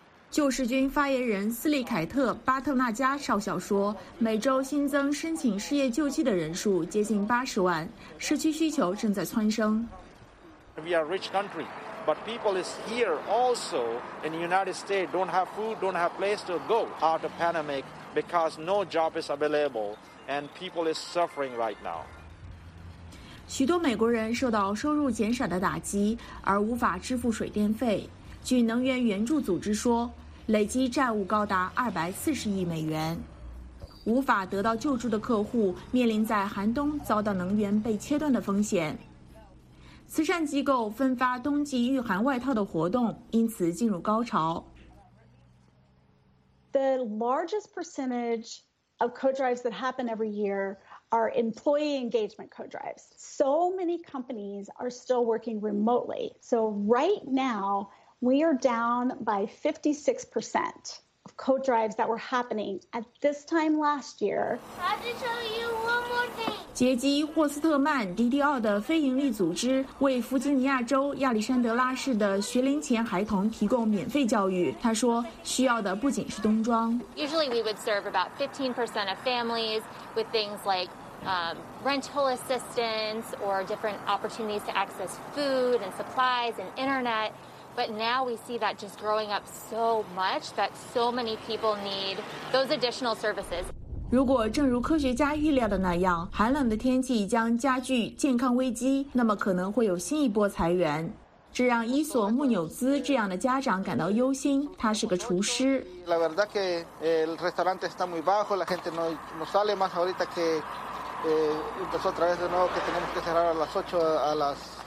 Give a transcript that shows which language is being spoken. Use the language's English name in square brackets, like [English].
[Chinese] 救世军发言人斯利凯特·巴特纳加少校说，每周新增申请失业救济的人数接近80万，社区需求正在蹿升。 [English] We are a rich country, but people is here also in the United States don't have food, don't have place to go out of the pandemic because no job is available and people is suffering right now. [Chinese] 许多美国人受到收入减少的打击而无法支付水电费。据能源援助组织说，累计债务高达240亿美元。无法得到救助的客户面临在寒冬遭到能源被切断的风险。慈善机构分发冬季御寒外套的活动因此进入高潮。 [English] The largest percentage of co-drives that happen every year are employee engagement co-drives. So many companies are still working remotely. So right now,We are down by 56% of co-drives that were happening at this time last year. I have to tell you one more thing. [Chinese] 杰基·霍斯特曼 DDR 的非盈利组织为弗吉尼亚州亚历山德拉市的学龄前孩童提供免费教育。他说，需要的不仅是冬装。 [English] Usually we would serve about 15% of families with things like rental assistance or different opportunities to access food and supplies and internet. But now we see that just growing up so much that so many people need those additional services. [Chinese] 如果正如科学家预料的那样，寒冷的天气将加剧健康危机，那么可能会有新一波裁员。这让伊索·穆纽兹这样的家长感到忧心。他是个厨师。 [Spanish] La verdad que el restaurante está muy bajo, la gente no sale más ahorita que empezó otra vez de nuevo que tenemos que cerrar a las 8 a las.